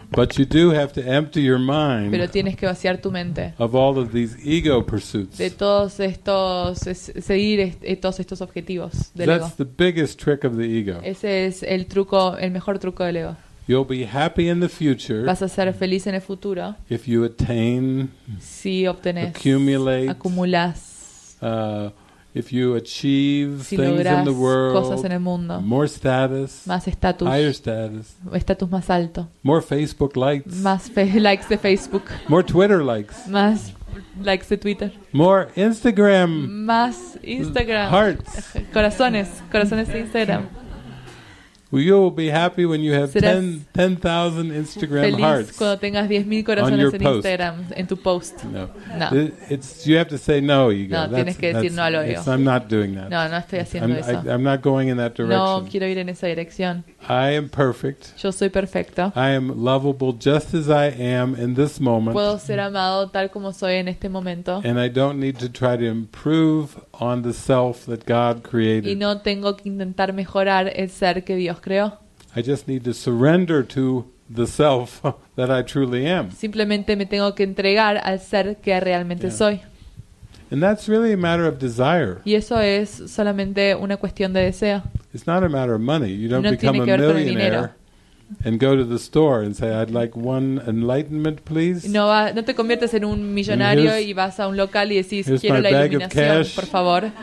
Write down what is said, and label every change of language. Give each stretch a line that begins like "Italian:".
English: But you do have to empty your mind.
Spanish: Pero tienes que vaciar tu mente.
English: Of all of these ego pursuits.
Spanish: De todos estos seguir todos estos objetivos del
English: That's ego. That's the biggest trick of the ego.
Spanish: Ese es el mejor truco del ego.
English: You'll be happy in the future.
Spanish: Vas a ser feliz en el futuro.
English: If you attain.
Spanish: Si obtenés.
English: Accumulate.
Spanish: Acumulas.
English: If you achieve things in the world,
Spanish: cosas en el mundo,
English: more status,
Spanish: más estatus,
English: higher status,
Spanish: estatus más alto,
English: more Facebook likes,
Spanish: más likes de Facebook,
English: more Twitter likes,
Spanish: más likes de Twitter,
English: more Instagram,
Spanish: más Instagram,
English: hearts,
Spanish: corazones, corazones de Instagram.
English: You will be happy when you have 10,000 Instagram
Spanish: feliz
English: hearts
Spanish: cuando tengas 10,000 corazones
English: on your
Spanish: en
English: post.
Spanish: Instagram, en tu post.
English: No.
Spanish: No.
English: You have to say no, you go.
Spanish: No,
English: that's,
Spanish: tienes que decir no al odio.
English: I'm not doing that.
Spanish: No, no estoy haciendo
English: I'm,
Spanish: eso.
English: I'm not going in that direction.
Spanish: No quiero ir en esa dirección.
English: I am perfect.
Spanish: Yo soy perfecto.
English: I am lovable just as I am in this moment.
Spanish: Puedo ser amado tal como soy en este momento.
English: And I don't need to try to improve on the self that God created.
Spanish: Y no tengo que intentar mejorar el ser que Dios creó.
English: I just need to surrender to the self that I truly am.
Spanish: Simplemente me tengo que entregar al ser que realmente yeah. soy.
English: And that's really a matter of desire.
Spanish: Y eso es solamente una cuestión de deseo.
English: It's not a matter of money. You don't
Spanish: no
English: become a millionaire and go to the store and say, "I'd like one enlightenment, please."
Spanish: No, no te conviertes en un millonario y vas a un local y decís, "Quiero la iluminación, por favor."